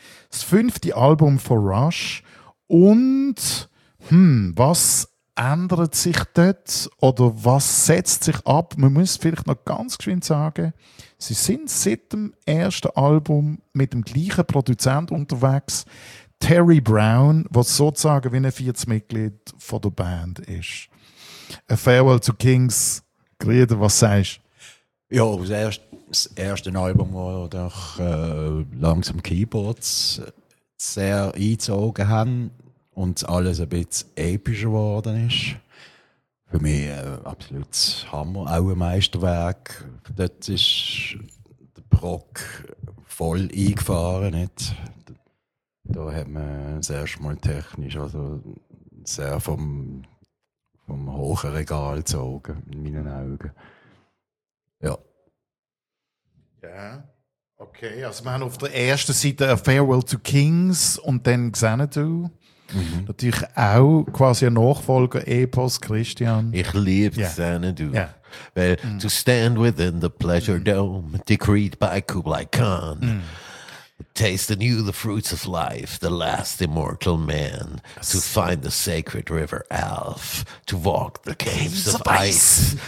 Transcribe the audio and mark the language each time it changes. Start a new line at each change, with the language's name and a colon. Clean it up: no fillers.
German: Das fünfte Album von Rush. Und was ändert sich dort oder was setzt sich ab? Man muss vielleicht noch ganz geschwind sagen, sie sind seit dem ersten Album mit dem gleichen Produzent unterwegs, Terry Brown, der sozusagen wie ein viertes Mitglied von der Band ist. A Farewell to Kings, Grieder, was sagst du? Ja, das erste Album, wo doch langsam Keyboards sehr eingezogen haben und alles ein bisschen epischer geworden ist. Für mich absolut Hammer, auch ein Meisterwerk. Dort ist der Prog voll eingefahren. Nicht? Da hat man das erste Mal technisch also sehr vom hohen Regal gezogen, in meinen Augen. Ja. Ja. Yeah. Okay, also wir haben auf der ersten Seite A Farewell to Kings und dann Xanadu. Mhm. Natürlich auch quasi ein Nachfolger, Epos, Christian. Ich liebe yeah. Xanadu. Yeah.
English: Weil to stand within the pleasure dome, decreed by Kublai Khan, taste anew the fruits of life, the last immortal man, yes. To find the sacred river Alf, to walk the caves of ice.